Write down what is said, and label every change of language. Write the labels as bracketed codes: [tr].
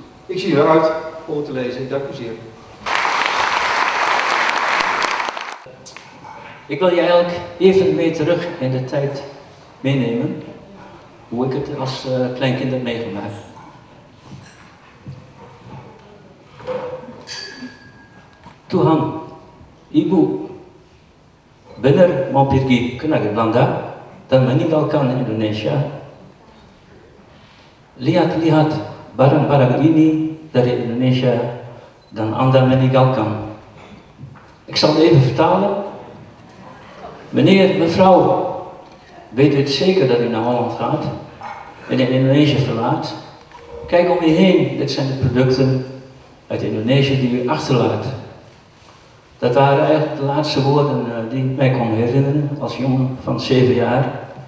[nl] Ik zie eruit om het te lezen. Dank u zeer. Ik wil je eigenlijk even mee terug in de tijd meenemen, hoe ik het als kleinkind heb meegemaakt. [id] Toen Ibu benar mau pergi ke negeri Belanda dan meninggalkan Indonesia, lihat-lihat barang-barang ini dari Indonesia dan anda meninggalkan. [nl] Ik zal het even vertalen. Meneer, mevrouw, weet u het zeker dat u naar Holland gaat? en in Indonesië verlaat. Kijk om je heen, dit zijn de producten uit Indonesië die u achterlaat. Dat waren eigenlijk de laatste woorden die ik mij kon herinneren als jongen van 7 jaar.